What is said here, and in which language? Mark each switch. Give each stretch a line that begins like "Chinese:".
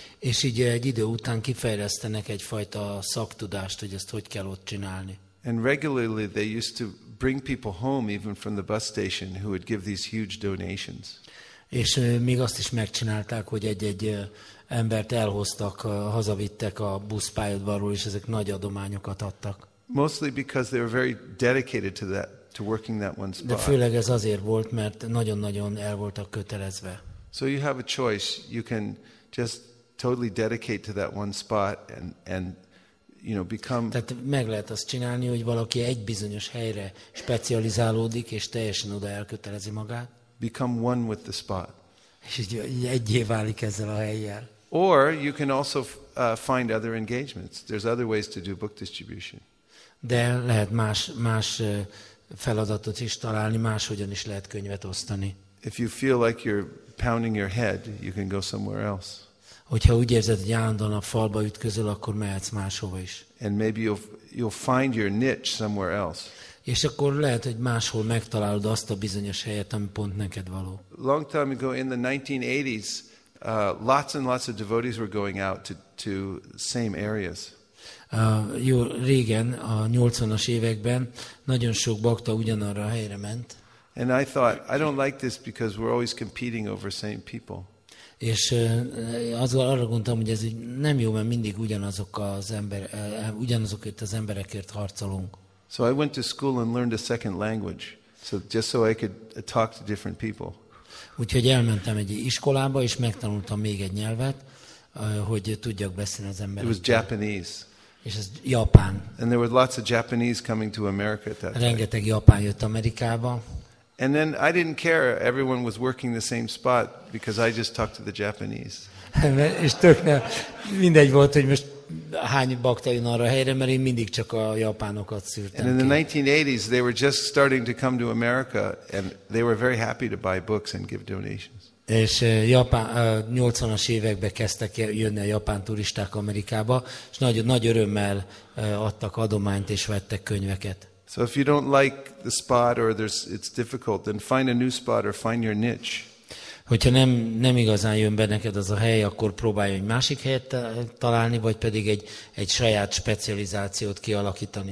Hungarian: És így egy idő után kifejlesztenek egyfajta szaktudást, hogy ezt hogy kell ott csinálni.
English: And regularly they used to bring people home even from the bus station who would give these huge donations.
Hungarian: És még azt is megcsinálták, hogy egy-egy embert elhoztak, hazavittek a buszpályaudvarról, és ezek nagy adományokat adtak.
English: Mostly because they were very dedicated to working that one spot.
Hungarian: De főleg ez azért volt, mert nagyon-nagyon el voltak kötelezve.
English: So you have a choice. You can just totally dedicate to that one spot and you know become.
Hungarian: Tehát meg lehet azt csinálni, hogy valaki egy bizonyos helyre specializálódik és teljesen oda elkötelezi magát.
English: Become one with the spot.
Hungarian: És egyé válik ezzel a helyjel.
English: Or you can also find other engagements. There's other ways to do book distribution.
Hungarian: De lehet más feladatot is találni, máshogyan is lehet könyvet osztani.
English: If you feel like you're pounding your head, you can go somewhere else.
Hungarian: Hogyha úgy érzed, hogy állandóan a falba ütközöl, akkor mehetsz máshova is.
English: And maybe you'll find your niche somewhere else.
Hungarian: És akkor lehet, hogy máshol megtalálod azt a bizonyos helyet, ami pont neked való.
English: Long time ago, in the 1980s, lots and lots of devotees were going out to same areas.
Hungarian: Jó régen, a 80-as években nagyon sok bakta ugyanarra a helyre ment.
English: And I thought, I don't like this because we're always competing over same people.
Hungarian: És azzal arra gondoltam, hogy ez nem jó, mert mindig ugyanazokért az emberekért harcolunk.
English: So I went to school and learned a second language, so just so I could talk to different people.
Hungarian: Úgyhogy elmentem egy iskolába és megtanultam még egy nyelvet, hogy tudjak beszélni az emberekkel.
English: It was Japanese.
Hungarian: És ez Japán.
English: And there were lots of Japanese coming to America at that time.
Hungarian: Rengeteg japán jött Amerikába.
English: And then I didn't care. Everyone was working the same spot because I just talked to the Japanese.
Hungarian: És tök mindegy volt, hogy most hány bakta jön arra helyre, mert én mindig csak a japánokat szűrtem.
English: And in the 1980s, they were just starting to come to America, and they were very happy to buy books and give donations.
Hungarian: És Japán 80-as években kezdtek jönni a japán turisták Amerikába, és nagyon nagy örömmel adtak adományt és vettek könyveket.
English: So if you don't like the spot or it's difficult, then find a new spot or find your niche.
Hungarian: Hogyha nem igazán jön be neked az a hely, akkor próbálj egy másik helyet találni, vagy pedig egy saját specializációt kialakítani.